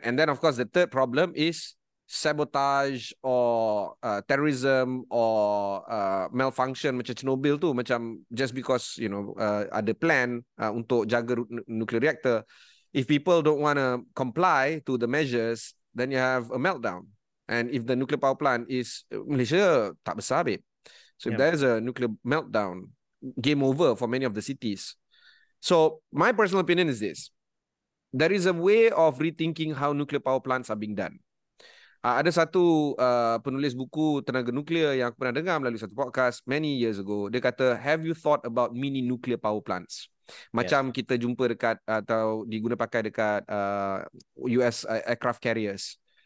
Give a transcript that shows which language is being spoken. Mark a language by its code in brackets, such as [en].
[en] And then of course the third problem is sabotage or terrorism or malfunction [ms] macam Chernobyl tu, macam [en] just because you know [ms] ada plan untuk jaga [en] nuclear reactor, if people don't want to comply to the measures then you have a meltdown. And if the nuclear power plant is Malaysia [ms] tak besar [en] babe, so if there's a nuclear meltdown, game over for many of the cities. So my personal opinion is this: there is a way of rethinking how nuclear power plants are being done. [ms] Ada satu penulis buku tenaga nuklear yang aku pernah dengar melalui satu podcast [en] many years ago. [ms] Dia kata, [en] have you thought about mini nuclear power plants? [ms] Macam kita jumpa dekat atau digunapakai dekat US aircraft carriers.